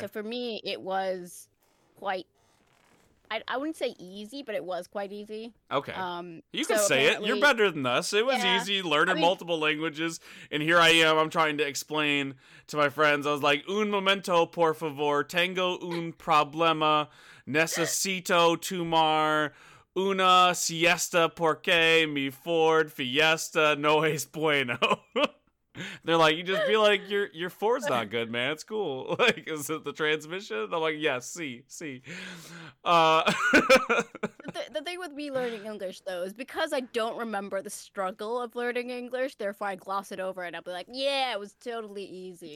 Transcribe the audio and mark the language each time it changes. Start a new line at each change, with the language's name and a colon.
English: So for me, it was quite, I wouldn't say easy, but it was quite easy. Okay. You can say it. You're better than us. It was easy learning multiple languages. And here I am. I'm trying to explain to my friends. I was like,
Spanish: un momento, por favor. Tengo un problema. Necesito tomar una siesta porque mi Ford fiesta no es bueno.
English: They're like, you just be like, your Ford's not good, man. It's cool. Like, is it the transmission? I'm like, yes, see. The thing with me learning English, though, is because I don't remember the struggle of learning English, therefore I gloss it over and I'll be like, yeah, it was totally easy.